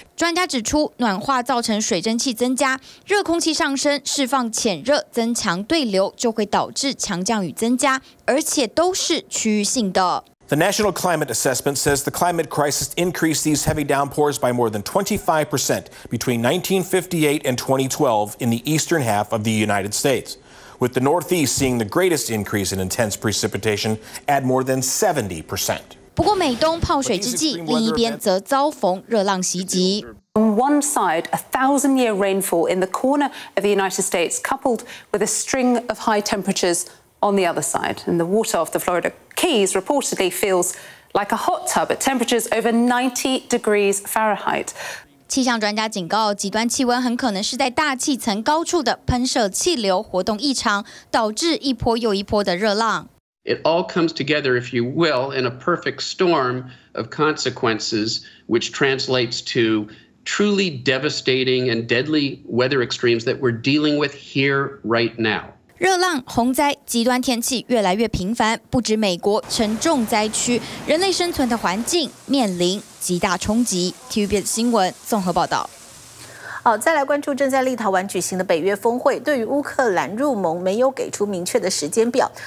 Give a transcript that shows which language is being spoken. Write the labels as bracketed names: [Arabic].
[Chinese] 专家指出，暖化造成水蒸气增加，热空气上升，释放潜热，增强对流，就会导致强降雨增加，而且都是区域性的。 [English] The National Climate Assessment says the climate crisis increased these heavy downpours by more than 25% between 1958 and 2012 in the eastern half of the United States, with the Northeast seeing the greatest increase in intense precipitation at more than 70%. [Chinese] 不过美东泡水之际，另一边则遭逢热浪袭击。 [English] On one side, a 1,000-year rainfall in the corner of the United States, coupled with a string of high temperatures on the other side, and the water off the Florida Keys reportedly feels like a hot tub at temperatures over 90 degrees Fahrenheit. [Chinese] 气象专家警告，极端气温很可能是在大气层高处的喷射气流活动异常，导致一波又一波的热浪。 [English] It all comes together, if you will, in a perfect storm of consequences, which translates to truly devastating and deadly weather extremes that we're dealing with here right now. [Chinese] 热浪、洪灾、极端天气越来越频繁，不止美国成重灾区，人类生存的环境面临极大冲击。 TVBS 新闻综合报道。好，再来关注正在立陶宛举行的北约峰会，对于乌克兰入盟没有给出明确的时间表。